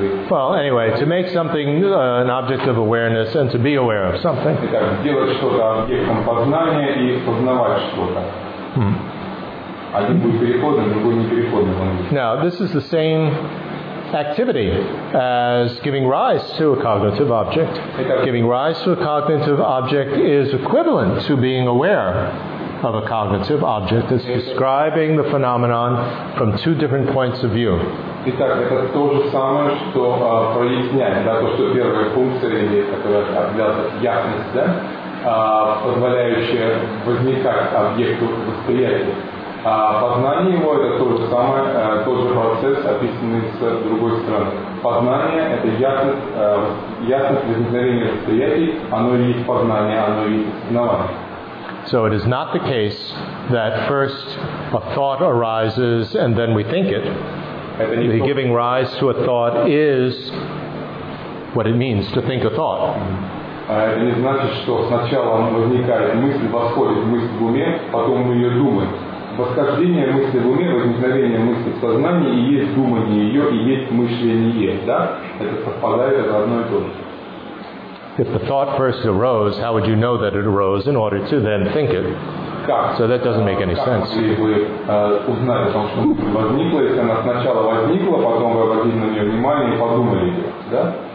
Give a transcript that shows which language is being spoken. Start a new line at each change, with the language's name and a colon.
English: Well, anyway, to make something an object of awareness and to be aware of something.
Russian: Итак, делать что-то объектом познания и познавать что-то. Один будет переходным, другой не переходным.
English: Now, this is the same activity as giving rise to a cognitive object. Giving rise to a cognitive object is equivalent to being aware of a cognitive object. It's describing the phenomenon from two different points of view.
Russian: Итак, это то же самое, что проясняет, да, то, что первая функция, или которая является ясность, да, позволяющая возникать объекту восприятия. Познание его – это то же самое, тот же процесс, описанный с другой стороны. Познание – это ясность возникновения восприятий, оно и есть познание, оно и есть знание.
English: So it is not the case that first a thought arises and then we think it. The giving rise to a thought is what it means to think a thought.
Russian: Это не значит, что сначала возникает мысль, восходит мысль в уме, потом мы ее думаем. Восхождение мысли в уме, возникновение мысли в сознании и есть думание ее, и есть мышление, да? Это совпадает, это одно и то же.
English: If the thought first arose, how would you know that it arose in order to then think it?
Russian: Как?
English: So that doesn't make any sense.
Russian: Как могли бы узнать о том, что мысль возникла, если она сначала возникла, потом вы обратили на нее внимание и подумали ее, да?